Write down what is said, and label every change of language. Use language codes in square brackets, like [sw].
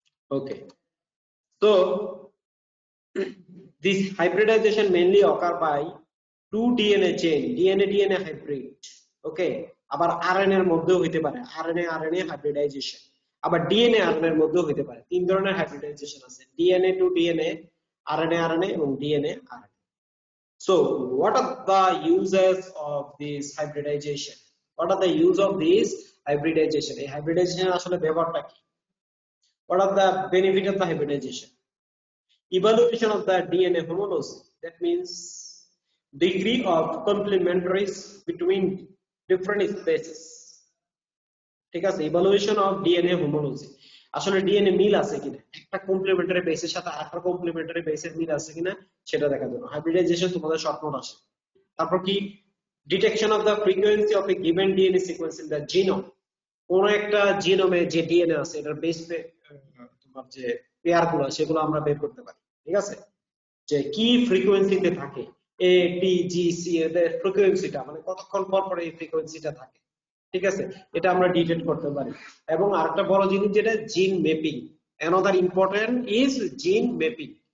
[en] Okay, তো this hybridization mainly occur by two DNA chain, DNA DNA hybrid, okay. [bn] আবার R এর মধ্যেও হইতে পারে, আরএনএ আরএনএ হাইব্রিডাইজেশন, আবার ডিএনএ আরএনএ এর মধ্যেও হইতে পারে। তিন ধরনের হাইব্রিডাইজেশন আছে, DNA two DNA, RNA RNA এবং DNA RNA. [en] So what are the uses of this hybridization? What are the use of this hybridization? [bn] A hybridization আসলে ব্যাপারটা কি? [en] What are the benefit of the hybridization? Evaluation of the DNA homology, that means degree of complementaries between different species. [bn] ঠিক আছে, [en] evaluation of DNA homology. [bn] আসলে DNA মিল আছে কিনা, একটা complementary base এর সাথে আরেকটা complementary base এর মিল আছে কিনা সেটা দেখার জন্য hybridization তোমাদের স্বপ্ন আসে। তারপর কি? [en] Detection of the frequency of a given DNA sequence in the genome. [bn] কোন একটা জিনোমে যে DNA আছে এটার বেস পে তোমার যে পেয়ার গুলো সেগুলো আমরা বের করতে পারি, ঠিক আছে? যে কি ফ্রিকোয়েন্সিতে থাকে A, T, G, C, এদের ফ্রিকোয়েন্সিটা, মানে কতক্ষণ পর পর এই ফ্রিকোয়েন্সিটা থাকে, ঠিক আছে? এটা আমরা ডিটেক্ট করতে পারি। এবং আরেকটা বড় জিনিস যেটা, জিন ম্যাপিং, [en] Another important is gene mapping.